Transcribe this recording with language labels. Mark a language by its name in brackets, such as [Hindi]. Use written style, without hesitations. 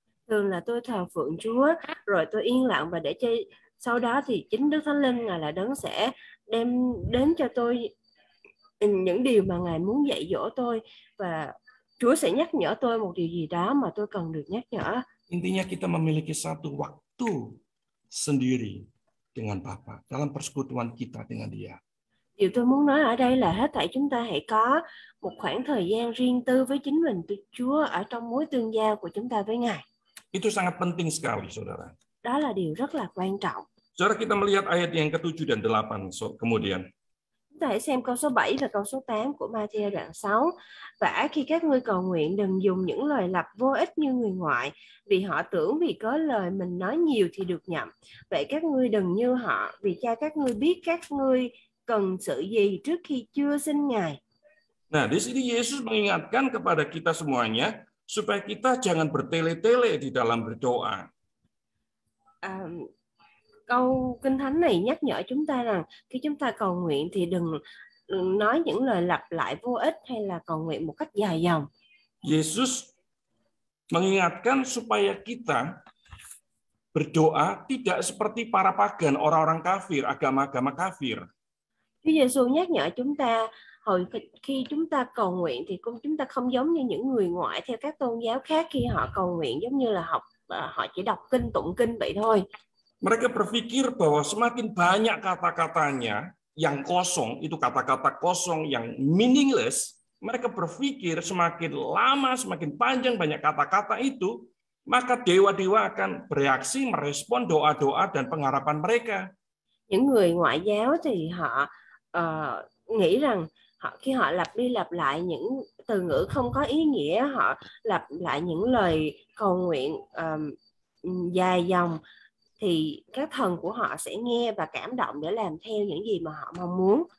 [Vietnamese] Thường là tôi thờ phượng Chúa, rồi tôi yên lặng và để cho... Sau đó thì chính Đức Thánh Linh Ngài là đấng sẽ đem đến cho tôi những điều mà Ngài muốn dạy dỗ tôi, và Chúa sẽ nhắc nhở tôi một điều gì đó mà tôi cần được nhắc nhở. [Indonesian] Intinya kita memiliki satu waktu sendiri dengan Bapa dalam persekutuan kita dengan Dia. [Vietnamese] Điều tôi muốn nói ở đây là hết thảy chúng ta hãy có một khoảng thời gian riêng tư với chính mình, với Chúa ở trong mối tương giao của chúng ta với Ngài. [Indonesian] Itu sangat penting sekali, saudara. [Vietnamese] Đó là điều rất là quan trọng. [Indonesian] Saudara, kita melihat ayat yang ke-7 dan ke-8 kemudian. [Vietnamese] Chúng ta hãy xem câu số 7 và câu số 8 của Matthew đoạn 6. Vả khi các ngươi cầu nguyện, đừng dùng những lời lập vô ích như người ngoại, vì họ tưởng vì có lời mình nói nhiều thì được nhậm. Vậy các ngươi đừng như họ, vì Cha các ngươi biết các ngươi cần sự gì trước khi chưa xin Ngài. [Indonesian] Nah, di sini Yesus mengingatkan kepada kita semuanya supaya kita jangan bertele-tele di dalam berdoa. [Vietnamese] Câu Kinh Thánh này nhắc nhở chúng ta rằng khi chúng ta cầu nguyện thì đừng nói những lời lặp lại vô ích hay là cầu nguyện một cách dài dòng. [Indonesian] Yesus mengingatkan supaya kita berdoa tidak seperti para pagan, orang-orang kafir, agama-agama kafir. [Vietnamese] Chúa Giêsu nhắc nhở chúng ta hồi khi chúng ta cầu nguyện thì chúng ta không giống như những người ngoại theo các tôn giáo khác, khi họ cầu nguyện giống như là họ chỉ đọc kinh, tụng kinh vậy thôi. [Indonesian] Mereka berpikir bahwa semakin banyak kata-katanya yang kosong, itu kata-kata kosong yang meaningless, mereka berpikir semakin lama, semakin panjang banyak kata-kata itu, maka dewa-dewa akan bereaksi, merespon doa-doa dan pengharapan mereka. [Vietnamese] Những người ngoại giáo thì họ nghĩ rằng khi họ lặp đi lặp lại những từ ngữ không có ý nghĩa, họ lặp lại những lời cầu nguyện dài dòng, thì các thần của họ sẽ nghe và cảm động để làm theo những gì mà họ mong muốn.